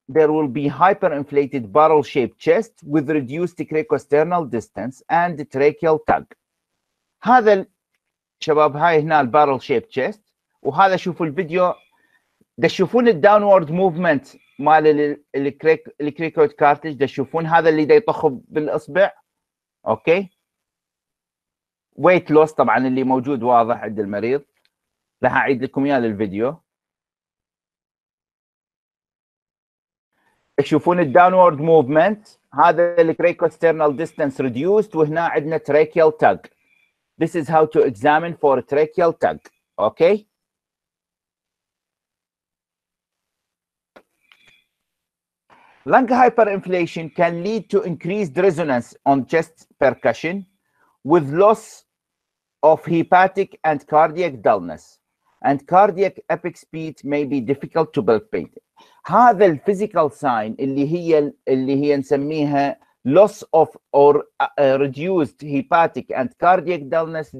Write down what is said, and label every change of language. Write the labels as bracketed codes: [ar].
[en] There will be hyperinflated barrel-shaped chest with reduced tracheostomal distance and tracheal tug. [ar] هذا شباب هاي هنا barrel-shaped chest، وهذا شوفوا الفيديو تشوفون الداونورد موفمنت مال الكريكويد كارتج، تشوفون هذا اللي يطخ بالاصبع. اوكي، ويت لوس طبعا اللي موجود واضح عند المريض. راح اعيد لكم اياه للفيديو. تشوفون الداونورد موفمنت، هذا الكريكوسترنال ديستانس ريديوست، وهنا عندنا تراكيال تاج. [en] This is how to examine for tracheal tug. Okay. Lung hyperinflation can lead to increased resonance on chest percussion with loss of hepatic and cardiac dullness and cardiac epic speed may be difficult to palpate. [ar] هذا الفيزيكال ساين اللي هي نسميها [en] loss of or reduced hepatic and cardiac dullness.